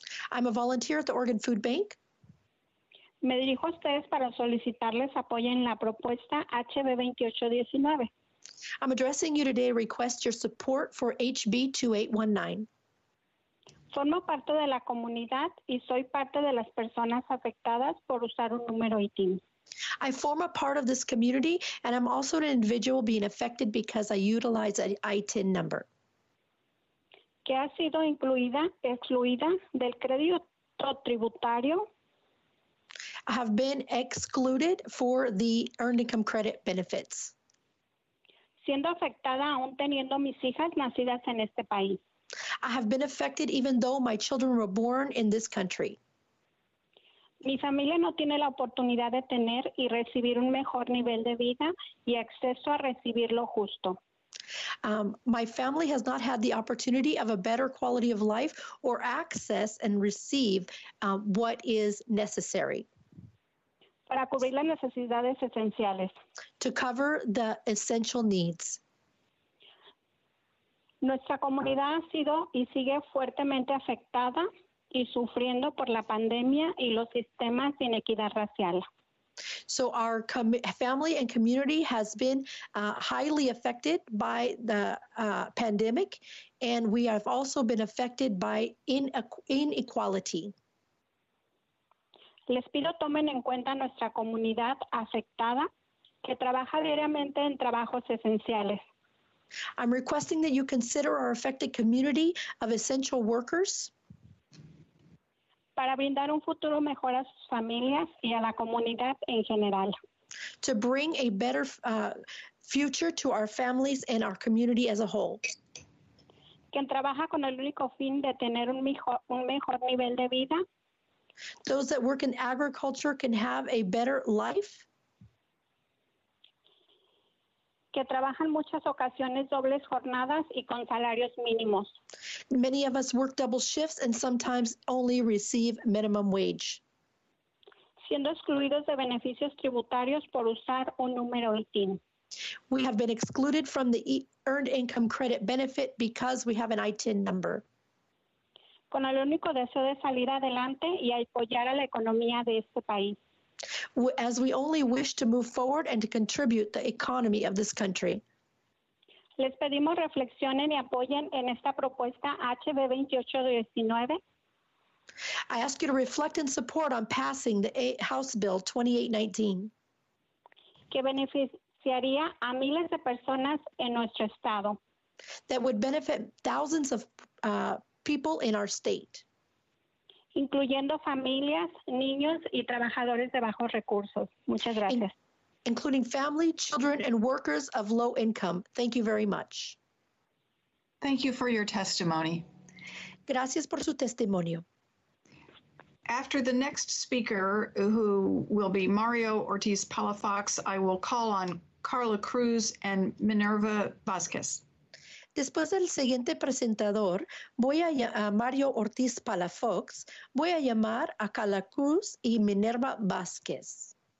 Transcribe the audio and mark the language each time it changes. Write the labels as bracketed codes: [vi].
[en] I'm a volunteer at the Oregon Food Bank. [es] Me dirijo a ustedes para solicitarles apoyo en la propuesta HB 2819. [en] I'm addressing you today to request your support for HB 2819. [es] Formo parte de la comunidad y soy parte de las personas afectadas por usar un número ITIN. [en] I form a part of this community and I'm also an individual being affected because I utilize an ITIN number. [es] Que ha sido incluida, excluida del crédito tributario. [en] Have been excluded for the earned income credit benefits. [es] Siendo afectada aún teniendo mis hijas nacidas en este país. [en] I have been affected even though my children were born in this country. [es] Mi familia no tiene la oportunidad de tener y recibir un mejor nivel de vida y acceso a recibir lo justo. [en] My family has not had the opportunity of a better quality of life or access and receive what is necessary. [es] Para cubrir las necesidades esenciales. [en] To cover the essential needs. [es] Nuestra comunidad ha sido y sigue fuertemente afectada y sufriendo por la pandemia y los sistemas de inequidad racial. [en] So our family and community has been highly affected by the pandemic, and we have also been affected by inequality. [es] Les pido tomen en cuenta nuestra comunidad afectada, que trabaja diariamente en trabajos esenciales. [en] I'm requesting that you consider our affected community of essential workers. [es] Para brindar un futuro mejor a sus familias y a la comunidad en general. [en] To bring a better future to our families and our community as a whole. [es] Quien trabaja con el único fin de tener un mejor nivel de vida. [en] Those that work in agriculture can have a better life. [es] Que trabajan muchas ocasiones dobles jornadas y con salarios mínimos. [en] Many of us work double shifts and sometimes only receive minimum wage. [es] Siendo excluidos de beneficios tributarios por usar un número ITIN. [en] We have been excluded from the earned income credit benefit because we have an ITIN number. [es] Con el único deseo de salir adelante y apoyar a la economía de este país. [en] As we only wish to move forward and to contribute the economy of this country. [es] Les pedimos reflexionen y apoyen en esta propuesta HB 2819. [en] I ask you to reflect and support on passing the House Bill 2819. [es] Que beneficiaría a miles de personas en nuestro estado. [en] That would benefit thousands of people in our state. [es] Incluyendo familias, niños y trabajadores de bajos recursos. Muchas gracias. [en] Including family, children, and workers of low income. Thank you very much. Thank you for your testimony. [es] Gracias por su testimonio. [en] After the next speaker, who will be Mario Ortiz Palafox, I will call on Carla Cruz and Minerva Vasquez. [es] Después del siguiente presentador, voy a Mario Ortiz Palafox, voy a llamar a Carla Cruz y Minerva Vázquez.